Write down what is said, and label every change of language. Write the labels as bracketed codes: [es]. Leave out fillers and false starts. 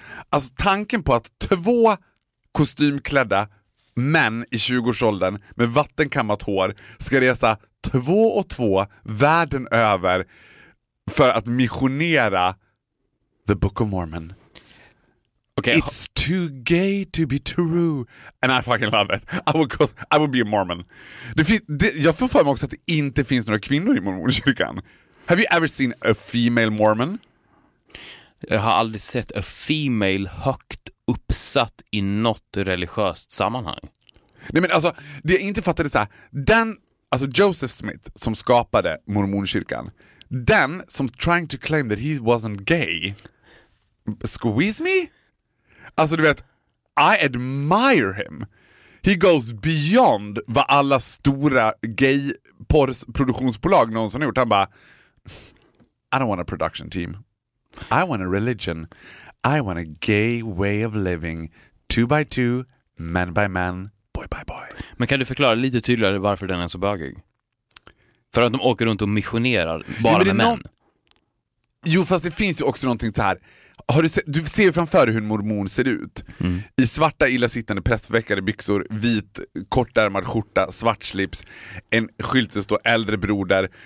[sv] Alltså tanken på att två kostymklädda män i 20-årsåldern med vattenkammat hår ska resa två och två världen över för att missionera The Book of Mormon. [en] Okay, it's too gay to be true. And I fucking love it. I would be a Mormon. [sv] Jag får för mig också att det inte finns några kvinnor i mormonkyrkan. [en] Have you ever seen a female Mormon? [sv] Jag har aldrig sett [en] a female [sv] högt uppsatt i något religiöst sammanhang. Nej, men alltså, det jag inte fattade så här. Den, alltså Joseph Smith som skapade mormonkyrkan, den som [en] trying to claim that he wasn't gay, squeeze me? [sv] Alltså du vet, [en] I admire him. He goes beyond [sv] vad alla stora gay produktionsbolag någonsin har gjort. Han bara, [en] I don't want a production team, I want a religion, I want a gay way of living, two by two, man by man, boy by boy. [sv] Men kan du förklara lite tydligare varför den är så bögig? För att de åker runt och missionerar bara, ja, med män. Jo, fast det finns ju också någonting så här. Du ser ju framför hur en mormon ser ut. I svarta, illasittande, prästförväckade byxor, vit, kortärmad skjorta, svart slips, en skylt som står äldre broder.